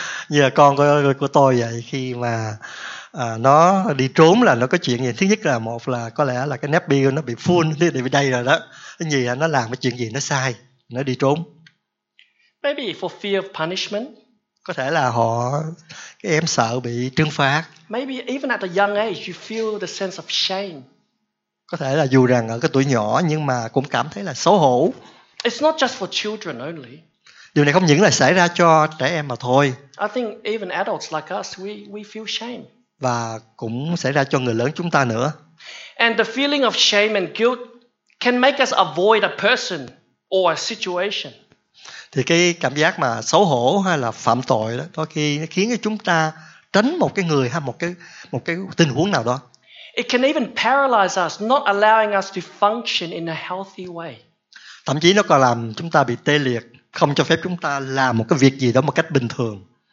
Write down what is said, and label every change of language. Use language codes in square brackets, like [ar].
[vi] Yeah, con của tôi vậy, khi mà nó đi trốn là nó có chuyện gì. Thứ nhất là một là có lẽ là cái nappy nó bị full, nó bị đầy rồi đó. Thứ nhì là nó làm cái chuyện gì nó sai, nó đi trốn. [en] Maybe for fear of punishment. [vi] Có thể là họ cái em sợ bị trừng phạt. [en] Maybe even at a young age, you feel the sense of shame. [vi] Có thể là dù rằng ở cái tuổi nhỏ nhưng mà cũng cảm thấy là xấu hổ. [en] It's not just for children only. [vi] Điều này không những là xảy ra cho trẻ em mà thôi. [en] I think even adults like us, we feel shame. [vi] Và cũng xảy ra cho người lớn chúng ta nữa. [en] And the feeling of shame and guilt can make us avoid a person or a situation. [vi] Thì cái cảm giác mà xấu hổ hay là phạm tội đó, đôi khi nó khiến cho chúng ta tránh một cái người hay một cái tình huống nào đó. [en] It can even paralyze us, not allowing us to function in a healthy way. [vi] Thậm chí nó còn làm chúng ta bị tê liệt, không cho phép chúng ta làm một cái việc gì đó một cách bình thường.